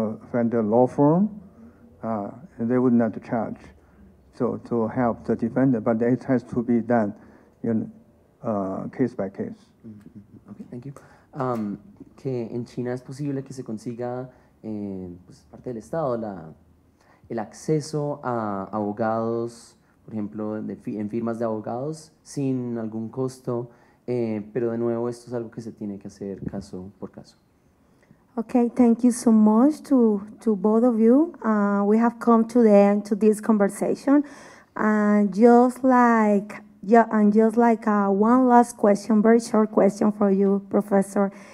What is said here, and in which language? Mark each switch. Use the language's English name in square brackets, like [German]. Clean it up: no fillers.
[English] Find a law firm, and they would not charge to help the defendant, but it has to be done in case by case. Mm-hmm. Okay, thank you. [Spanish] Que en China es posible que se consiga pues parte del Estado el acceso a abogados, por ejemplo, en firmas de abogados sin algún costo, pero de nuevo esto es algo que se tiene que hacer caso por caso. [English] Okay, thank you so much to both of you. We have come to the end to this conversation, and just like one last question, very short question for you, Professor.